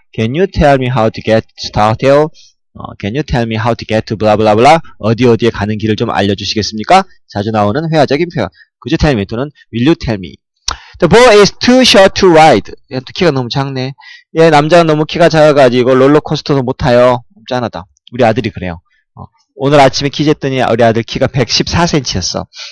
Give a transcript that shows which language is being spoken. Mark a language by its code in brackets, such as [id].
[en] Can you tell me how to get started? Can you tell me how to get to blah blah blah? [ko] 어디 어디에 가는 길을 좀 알려주시겠습니까? 자주 나오는 회화적인 표현. [en] Could you tell me 또는 Will you tell me? The boy is too short to ride. [ko] 얘 또 키가 너무 작네. 얘 남자는 너무 키가 작아가지고 롤러코스터도 못 타요. 짠하다. 우리 아들이 그래요. 오늘 아침에 키쟀더니 우리 아들 키가 114cm였어.